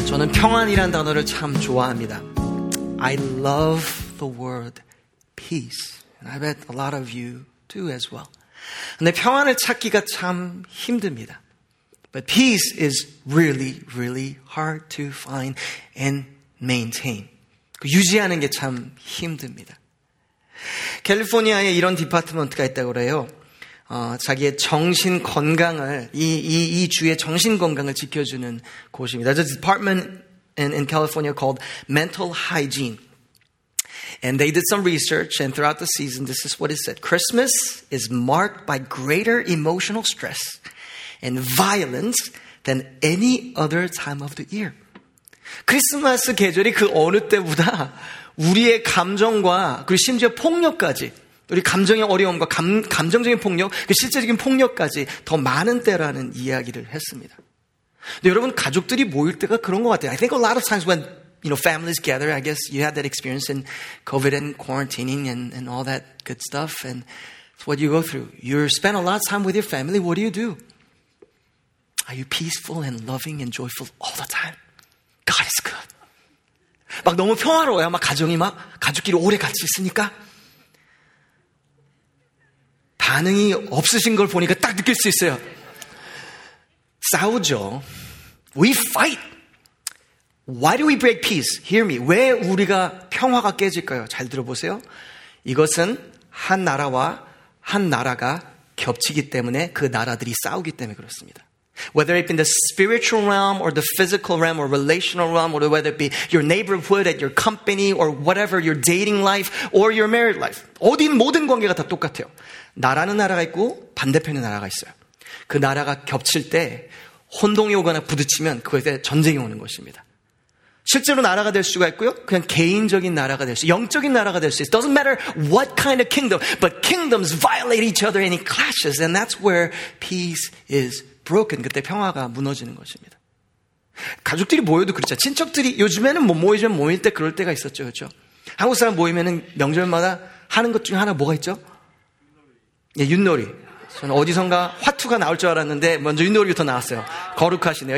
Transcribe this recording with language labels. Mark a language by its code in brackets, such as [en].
[ko] 평안이란 단어를 참 좋아합니다. [en] I love the word peace. And I bet a lot of you do as well. [ko] 근데 평안을 찾기가 참 힘듭니다. [en] But peace is really, really hard to find and maintain. [ko] 그 유지하는 게 참 힘듭니다. 캘리포니아에 이런 디파트먼트가 있다고 그래요. 자기의 정신 건강을 이 주의 정신 건강을 지켜주는 곳입니다. [en] There's a department in California called mental hygiene. And they did some research, and throughout the season, this is what it said. Christmas is marked by greater emotional stress and violence than any other time of the year. [ko] 크리스마스 계절이 그 어느 때보다 우리의 감정과 그리고 심지어 폭력까지 우리 감정의 어려움과 감정적인 폭력, 그 실제적인 폭력까지 더 많은 때라는 이야기를 했습니다. 근데 여러분 가족들이 모일 때가 그런 것 같아요. [en] I think a lot of times when you know families gather, I guess you had that experience in COVID and quarantining and all that good stuff, and it's what you go through. You spend a lot of time with your family. What do? Are you peaceful and loving and joyful all the time? God is good. [ko] 막 너무 평화로워요. 막 가정이 막 가족끼리 오래 같이 있으니까. 반응이 없으신 걸 보니까 딱 느낄 수 있어요. 싸우죠. [en] We fight. Why do we break peace? Hear me. [ko] 왜 우리가 평화가 깨질까요? 잘 들어보세요. 이것은 한 나라와 한 나라가 겹치기 때문에 그 나라들이 싸우기 때문에 그렇습니다. [en] Whether it be in the spiritual realm or the physical realm or relational realm or whether it be your neighborhood at your company or whatever, your dating life or your married life. [ko] 어딘 모든 관계가 다 똑같아요. 나라는 나라가 있고 반대편의 나라가 있어요. 그 나라가 겹칠 때 혼동이 오거나 부딪히면 그것에 전쟁이 오는 것입니다. 실제로 나라가 될 수가 있고요. 그냥 개인적인 나라가 될 수, 영적인 나라가 될 수 있어요. [en] Doesn't matter what kind of kingdom, but kingdoms violate each other and it clashes. And that's where peace is broken. [ko] 그때 평화가 무너지는 것입니다. 가족들이 모여도 그렇죠. 친척들이 요즘에는 뭐 모이면 모일 때 그럴 때가 있었죠. 그렇죠? 한국 사람 모이면 명절마다 하는 것 중에 하나 뭐가 있죠? 예, 윷놀이. 저는 어디선가 화투가 나올 줄 알았는데 먼저 윷놀이부터 나왔어요. 거룩하시네요.